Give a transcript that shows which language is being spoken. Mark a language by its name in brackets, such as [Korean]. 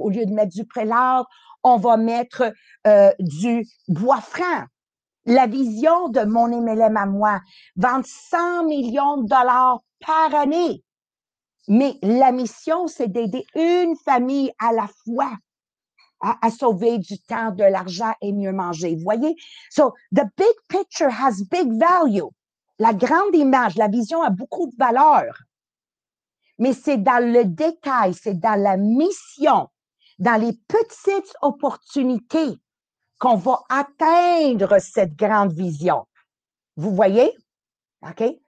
[French] Au lieu de mettre du prélard, on va mettre du bois franc. La vision de mon MLM à moi, vendre 100 millions de dollars par année. Mais la mission, c'est d'aider une famille à la fois à sauver du temps, de l'argent et mieux manger. Vous voyez? [English] So, the big picture has big value. [French] La grande image, la vision a beaucoup de valeur. Mais c'est dans le détail, c'est dans la mission, dans les petites opportunités qu'on va atteindre cette grande vision. Vous voyez? OK?